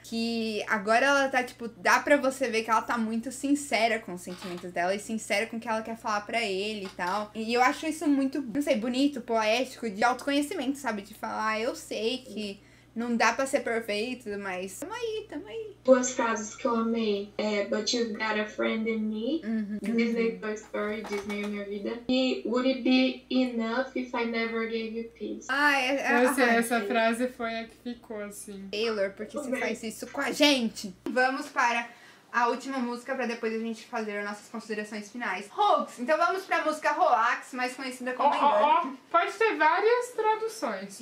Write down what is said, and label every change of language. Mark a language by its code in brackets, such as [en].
[pt] Que agora ela tá, tipo, dá pra você ver que ela tá muito sincera com os sentimentos dela e sincera com o que ela quer falar pra ele e tal. E eu acho isso muito, não sei, bonito, poético, de autoconhecimento, sabe? De falar, eu sei que não dá pra ser perfeito, mas tamo aí, tamo aí. Duas frases que eu amei. [en] É, but you've got a friend in me. Disney Toy Story, Disney [pt] Minha Vida. [en] E would it be enough if I never gave you peace? [pt] Essa frase foi a que ficou, assim. Taylor, porque você faz isso com a gente? Vamos para a última música, pra depois a gente fazer as nossas considerações finais. Hoax! Então vamos pra música Hoax, mais conhecida como Pode ter várias traduções.